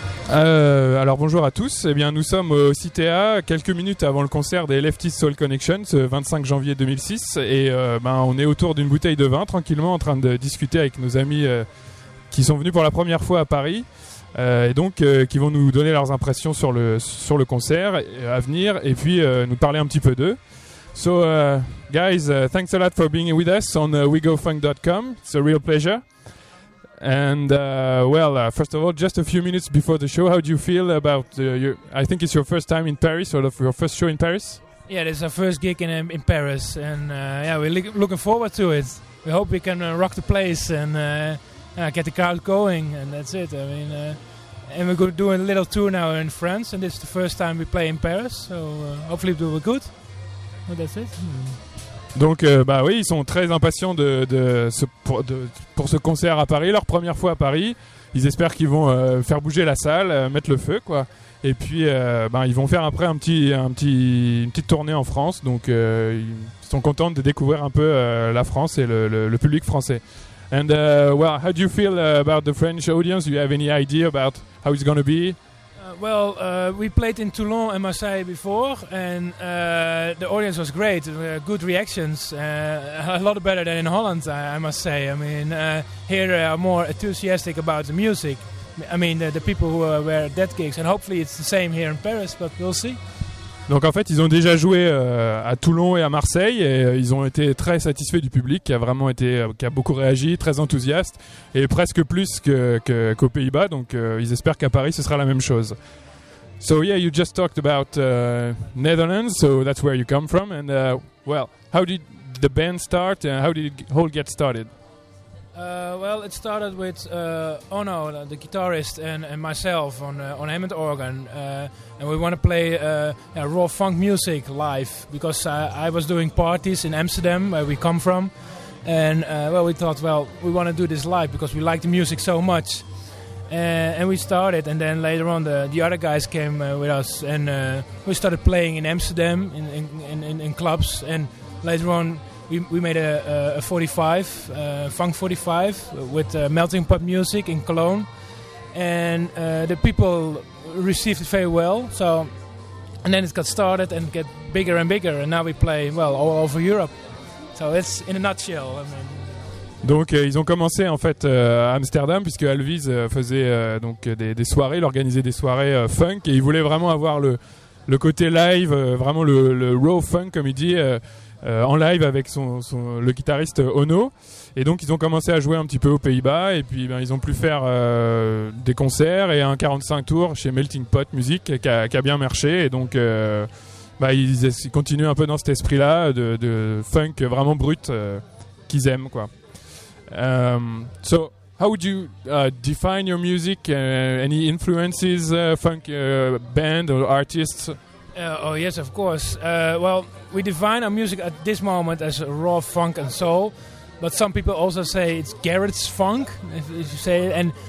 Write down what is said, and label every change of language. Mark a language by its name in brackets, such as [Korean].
[French] Alors bonjour à tous, eh bien, nous sommes au CTA quelques minutes avant le concert des Lefty's Soul Connection ce 25 janvier 2006 et on est autour d'une bouteille de vin tranquillement en train de discuter avec nos amis qui sont venus pour la première fois à Paris et donc qui vont nous donner leurs impressions sur le concert à venir et puis nous parler un petit peu d'eux. [English] So guys, thanks a lot for being with us on wegofunk.com, it's a real pleasure. And first of all, just a few minutes before the show, how do you feel about your? I think it's your first time in Paris, or your first show in Paris. Yeah, it's our first gig in Paris, and we're looking forward to it. We hope we can rock the place and get the crowd going, and that's it. I mean, and we're going to do a little tour now in France, and this is the first time we play in Paris, so hopefully we'll do it good. And that's it. [French] Donc, ils sont très impatients pour ce concert à Paris, leur première fois à Paris. Ils espèrent qu'ils vont faire bouger la salle, mettre le feu, quoi. Et puis, ils vont faire après une petite tournée en France. Donc, ils sont contents de découvrir un peu la France et le public français. [English] And how do you feel about the French audience? Do you have any idea about how it's going to be? Well, we played in Toulon and Marseille before, and the audience was great. Good reactions, a lot better than in Holland, I must say. I mean, here they are more enthusiastic about the music. I mean, the people who were at that gigs, and hopefully it's the same here in Paris, but we'll see. [French] Donc en fait, ils ont déjà joué à Toulon et à Marseille et ils ont été très satisfaits du public qui a beaucoup réagi, très enthousiaste et presque plus qu'aux Pays-Bas. Donc ils espèrent qu'à Paris, ce sera la même chose. [English] So yeah, you just talked about Netherlands, so that's where you come from. And how did the band start and how did it all get started? It started with Ono, the guitarist, and myself on Hammond organ, and we want to play raw funk music live because I was doing parties in Amsterdam, where we come from, and we thought, we want to do this live because we like the music so much, and we started, and then later on the other guys came with us, and we started playing in Amsterdam in clubs, and later on. We made a 45, funk 45, with melting pot music in Cologne, and the people received it very well. So, and then it got started and get bigger and bigger, and now we play all over Europe. So it's in a nutshell. I mean. [French] Donc ils ont commencé en fait à Amsterdam puisque Alviz faisait donc des soirées, il organisait des soirées funk et il voulait vraiment avoir le côté live, vraiment le raw funk comme il dit. En live avec le guitariste Ono et donc ils ont commencé à jouer un petit peu aux Pays-Bas et puis ils ont pu faire des concerts et un 45 tours chez Melting Pot Music qui a bien marché et donc ils continuent un peu dans cet esprit là de funk vraiment brut qu'ils aiment quoi. [English] So how would you define your music, any influences, funk band or artists? Yes, of course. We define our music at this moment as raw funk and soul, but some people also say it's Garrett's funk, if you say it.